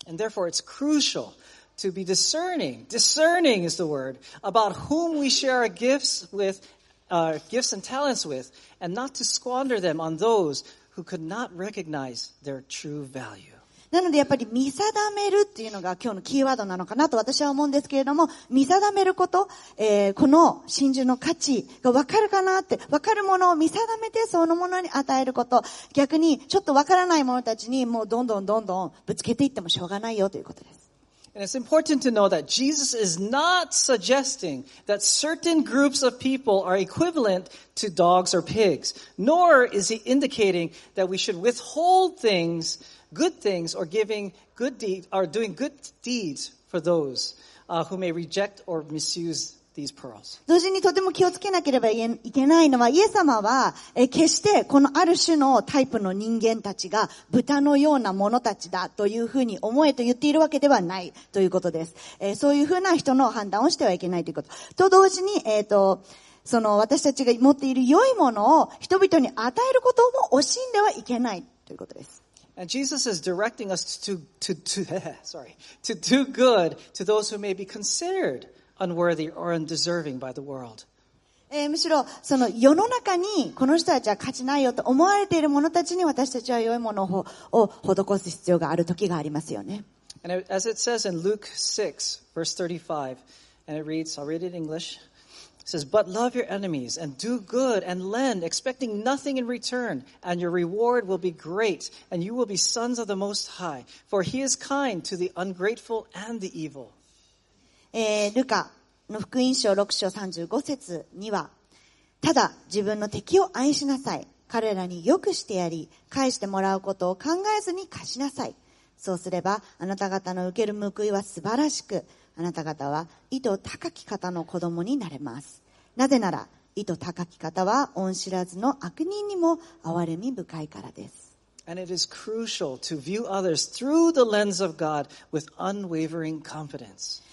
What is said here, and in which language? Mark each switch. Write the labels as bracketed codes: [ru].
[en] And therefore, it's crucial to be discerning. Discerning is the word about whom we share our gifts with, gifts and talents with, and not to squander them on those who could not recognize their true value. [ja] なのでやっぱり見定めるっていうのが今日のキーワードなのかなと私は思うんですけれども見定めること、この真珠の価値がわかるかなってわかるものを見定めてそのものに与えること逆にちょっとわからないものたちにもうどんどんどんどんぶつけていってもしょうがないよということです。 [en] And it's important to know that Jesus is not suggesting that certain groups of people are equivalent to dogs or pigs, nor is he indicating that we should withhold thingsGood things or giving good deeds or doing good deeds for those, who may reject or misuse these pearls. [ja] 同時にとても気をつけなければいけないのは、イエス様は、決してこのある種のタイプの人間たちが豚のようなものたちだというふうに思えと言っているわけではないということです。そういうふうな人の判断をしてはいけないということ。と同時に、その私たちが持っている良いものを人々に与えることも惜しんではいけないということです。 [en] And Jesus is directing us to do good to those who may be considered unworthy or undeserving by the world. [ja] むしろその世の中にこの人たちは価値ないよと思われている者たちに私たちは良いものを施す必要がある時がありますよね。 [en] And as it says in Luke 6, verse 35, and it reads, I'll read it in English. It says, But love your enemies and do good and lend, expecting nothing in return, and your reward will be great, and you will be sons of the Most High, for He is kind to the ungrateful and the evil. [ja] ルカの福音書6章35節には、ただ自分の敵を愛しなさい。彼らに良くしてやり、返してもらうことを考えずに貸しなさい。そうすれば、あなた方の受ける報いは素晴らしく、あなた方は意図高き方の子供になれます。なぜなら、意図高き方は恩知らずの悪人にも憐れみ深いからです。 [en] And it is crucial to view others through the lens of God with unwavering confidence.